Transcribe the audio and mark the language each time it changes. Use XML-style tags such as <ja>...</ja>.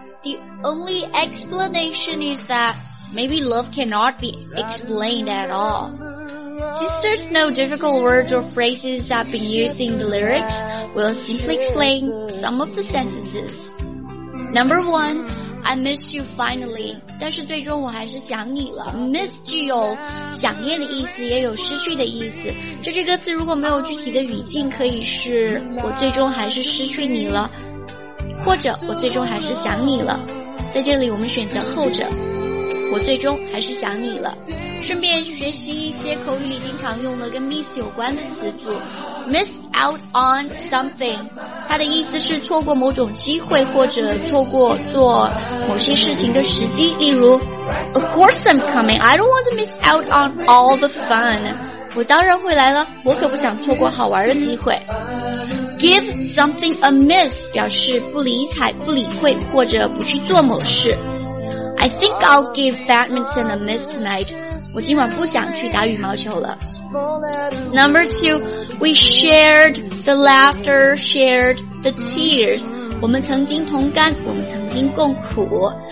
<en>The only explanation is that maybe love cannot be explained at all. Since there's no difficult words or phrases that have been used in the lyrics, we'll simply explain some of the sentences. Number one, I miss you finally.</en> <zh>但是最终我还是想你了。Miss 具有想念的意思，也有失去的意思。就这个词如果没有具体的语境，可以是我最终还是失去你了，或者我最终还是想你了。在这里我们选择后者，我最终还是想你了。顺便学习一些口语里经常用的跟 miss 有关的词组。</zh> <en>Miss out on something，</en> <zh>它的意思是错过某种机会或者错过做某些事情的时机。</zh> <en>例如 Of course I'm coming, I don't want to miss out on all the fun，</en> <zh>我当然会来了，我可不想错过好玩的机会。</zh> <en>Give something a miss</en> <zh>表示不理睬、不理会或者不去做某事。</zh> <en>I think I'll give badminton a miss tonight.</en> <zh>我今晚不想去打羽毛球了。</zh> <en>Number two, we shared the laughter, shared the tears.</en> <zh>我们曾经同甘，我们曾经共苦。</zh>